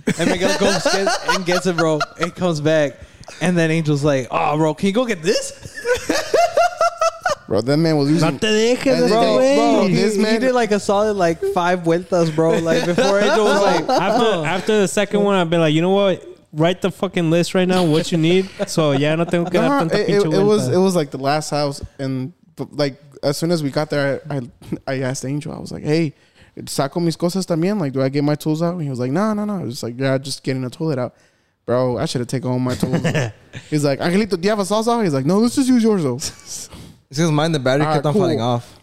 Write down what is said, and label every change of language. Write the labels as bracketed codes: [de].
[en] And Miguel goes and gets it, bro. And comes back. And then Angel's like, oh, bro, can you go get this? Bro, that man was using. [es] No te dejes, bro. [en] This man, he did like a solid like five vueltas, bro. Like before Angel was like. After the second one, I've been like, you know what? Write the fucking list right now, what you need. So, yeah, [es] no tengo que dar tanta pinche vuelta. [en] It was like the last house. And like, as soon as we got there, I asked Angel, I was like, hey, [es] saco mis cosas también. [en] Like, do I get my tools out? And he was like, no. I was just like, yeah, just getting a toilet out. Bro, I should have taken all my tools. He's like, Angelito, do you have a salsa? He's like, no, let's just use yours though. It's because mine, the battery kept on falling off.